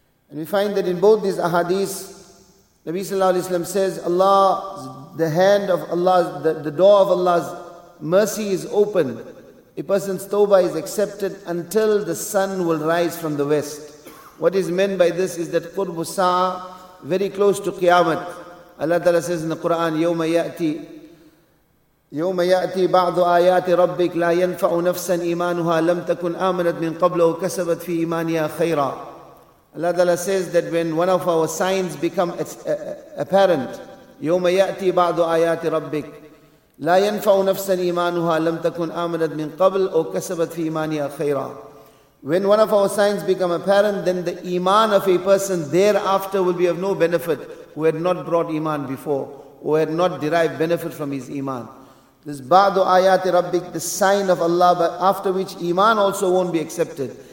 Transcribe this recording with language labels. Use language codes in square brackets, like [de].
[en] And we find that in both these ahadith, Nabi Sallallahu Alaihi Wasallam says, Allah, the hand of Allah, the door of Allah's mercy is open. A person's tawbah is accepted until the sun will rise from the west. What is meant by this is that [ar] قُرْبُ السَّاعَةِ, [en] very close to Qiyamah. [ar] Allah Ta'ala says in the Quran, يَوْمَ يَأْتِي يَوْمَ يَأْتِي بَعْضُ آيَاتِ رَبِّكْ لَا يَنْفَعُ نَفْسًا إِيمَانُهَا لَمْ تَكُنْ آمَنَتْ مِنْ قَبْلُهُ كَسَبَتْ فِي إِيمَانِهَا خَيْرًا. [en] Allah Ta'ala says that when one of our signs become apparent, [ar] يَوْمَ يَأْتِي بَعْضُ آيَاتِ رَبِّكْ لَا يَنْفَعُ نَفْسًا إِيمَانُهَا لَمْ تَكُنْ آمَنَتْ مِنْ قَبْلُ أَوْ كَسَبَتْ فِي إِيمَانِهَا خَيْرًا. [en] When one of our signs become apparent, then the iman of a person thereafter will be of no benefit who had not brought iman before, who had not derived benefit from his iman. This [ar] ba'du ayati rabbik, [en] the sign of Allah, but after which iman also won't be accepted.